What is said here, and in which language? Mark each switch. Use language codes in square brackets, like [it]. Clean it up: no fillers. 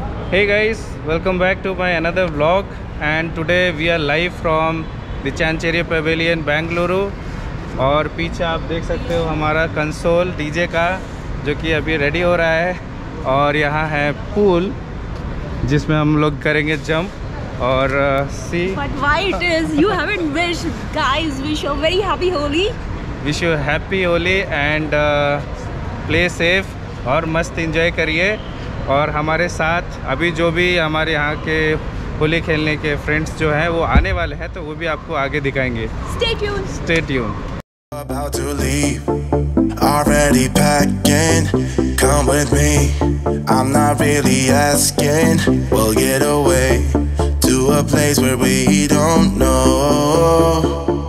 [en] Hey guys, welcome back to my another vlog, and today we are live from the Chancery Pavilion Bangalore. [hi] और पीछे आप देख सकते हो हमारा कंसोल डीजे का जो कि अभी रेडी हो रहा है और यहाँ है पूल जिसमें हम लोग करेंगे जंप और सी [en] but why it is you haven't wished guys wish you very happy Holi wish you happy Holi and play safe [hi] और मस्त एंजॉय करिए और हमारे साथ अभी जो भी हमारे यहाँ के होली खेलने के फ्रेंड्स जो हैं वो आने वाले हैं तो वो भी आपको आगे दिखाएंगे [en] Stay tuned. About to leave, already packing, come with me, I'm not really asking, we'll get away to a place where we don't know.